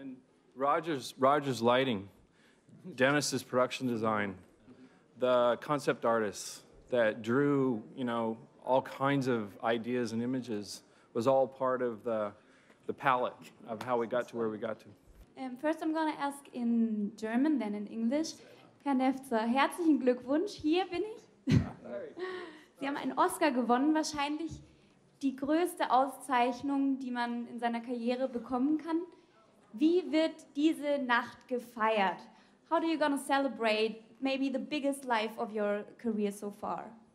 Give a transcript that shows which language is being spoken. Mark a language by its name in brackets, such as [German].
[English] And Roger's lighting, Dennis's production design, the concept artists that drew, you know, all kinds of ideas and images was all part of the palette of how we got to where we got to. First I'm going to ask in German, then in English. [German] Herr Nefzer, herzlichen Glückwunsch, hier bin ich. Sie haben einen Oscar gewonnen, wahrscheinlich die größte Auszeichnung, die man in seiner Karriere bekommen kann. Wie wird diese Nacht gefeiert? [English] How are you going to celebrate maybe the biggest life of your career so far?